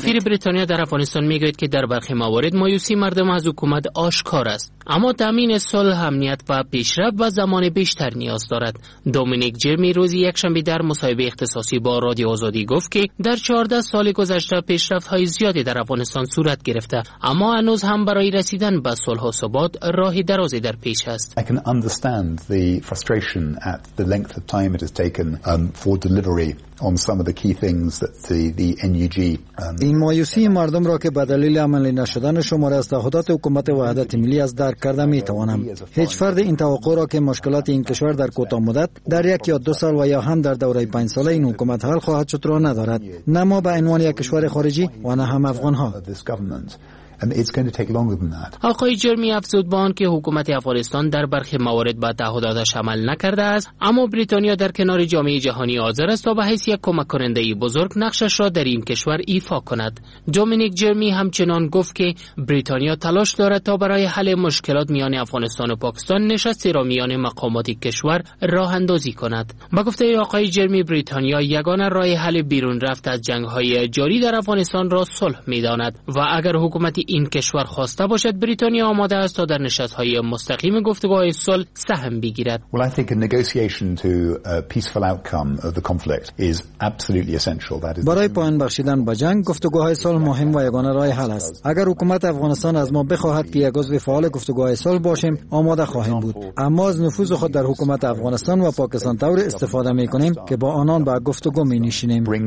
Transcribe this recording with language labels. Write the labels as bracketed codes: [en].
[fa] سفیر بریتانیا در افغانستان میگوید که در برخی موارد مایوسی مردم از حکومت آشکار است، اما تامین صلح، امنیت و پیشرفت و زمان بیشتر نیاز دارد. دومینیک جرمی روز یکشنبه در مصاحبه اختصاصی با رادیو آزادی گفت که در 14 سال گذشته پیشرفت های زیادی در افغانستان صورت گرفته، اما هنوز هم برای رسیدن به صلح و ثبات راهی درازی در پیش است. [en] I can understand the frustration at the length of time it has taken for delivery on some of the key things that the NUG [fa] این مایوسی مردم را که به دلیل عملی نشدن شماره از تعهدات حکومت وحدت ملی از درک کرده می توانم. هیچ فرد این توقع را که مشکلات این کشور در کوتاه مدت در یک یا دو سال و یا هم در دوره 5 ساله این حکومت حل خواهد شد را ندارد، نه ما به عنوان یک کشور خارجی و نه هم افغان ها. آقای جرمی افزود با آن که حکومت افغانستان در برخی موارد به تعهداتش عمل نکرده است، اما بریتانیا در کنار جامعه جهانی حاضر است تا به حیث یک کمک کننده بزرگ نقشش را در این کشور ایفا کند. دومینیک جرمی همچنان گفت که بریتانیا تلاش دارد تا برای حل مشکلات میان افغانستان و پاکستان نشستی را میان مقامات کشور راه اندازی کند. به گفته آقای جرمی، بریتانیا یگانه راه حل بیرون رفت از جنگ‌های جاری در افغانستان را صلح می‌داند و اگر حکومت این کشور خواسته باشد، بریتانیا آماده است تا در نشست‌های مستقیم گفتگوهای صلح سهم بگیرد. [en] I think a negotiation to a peaceful outcome of the conflict is absolutely essential. That is [fa] برای پایان بخشیدن به جنگ گفتگوهای صلح مهم و یگانه راه حل است. اگر حکومت افغانستان از ما بخواهد که یک عضو فعال گفتگوهای صلح باشیم، آماده خواهیم بود. اما از نفوذ خود در حکومت افغانستان و پاکستان طور استفاده می‌کنیم که با آنان به گفتگو می‌نشینیم.